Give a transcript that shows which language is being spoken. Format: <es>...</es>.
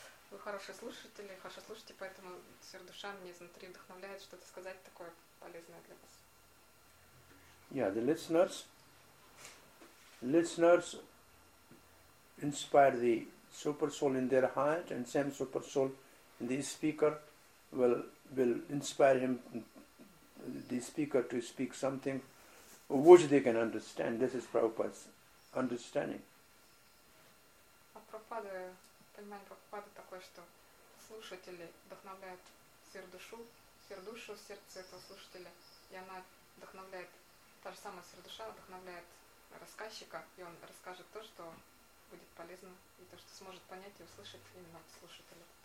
<ru>Вы хорошие слушатели, хорошо слушаете, поэтому сердуша мне изнутри вдохновляет что-то сказать такое полезное для вас.</ru> <en>Yeah, the listeners inspire the super soul in their heart, and same super soul in the speaker will inspire him, the speaker, to speak something which they can understand. This is Prabhupada's understanding.</en> <ru>Понимание Прабхупады такое, что слушатели вдохновляют сердушу, сердушу в сердце этого слушателя, и она вдохновляет, та же самая сердуша вдохновляет рассказчика, и он расскажет то, что будет полезно, и то, что сможет понять и услышать именно слушателя.</ru>